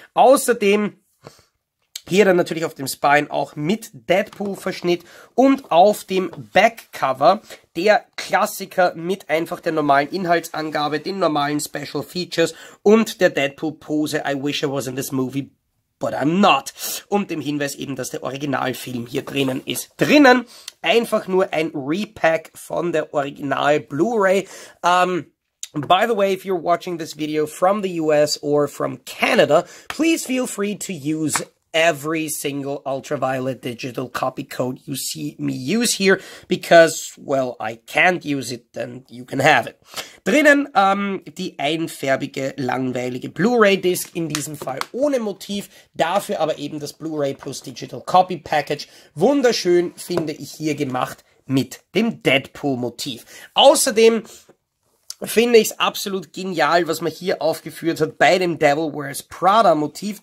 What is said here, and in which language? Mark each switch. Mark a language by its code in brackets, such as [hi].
[de] Außerdem hier dann natürlich auf dem Spine auch mit Deadpool-Verschnitt und auf dem Backcover der Klassiker mit einfach der normalen Inhaltsangabe, den normalen Special Features und der Deadpool-Pose [en] I wish I was in this movie, but I'm not. [de] Und dem Hinweis eben, dass der Originalfilm hier drinnen ist. Drinnen einfach nur ein Repack von der Original-Blu-Ray. [en] By the way, if you're watching this video from the US or from Canada, please feel free to use every single ultraviolet digital copy code you see me use here, because, well, I can't use it, then you can have it. [de] Drinnen die einfärbige, langweilige Blu-ray-Disc, in diesem Fall ohne Motiv, dafür aber eben das Blu-ray plus Digital Copy Package. Wunderschön, finde ich, hier gemacht mit dem Deadpool-Motiv. Außerdem finde ich es absolut genial, was man hier aufgeführt hat bei dem Devil Wears Prada Motiv.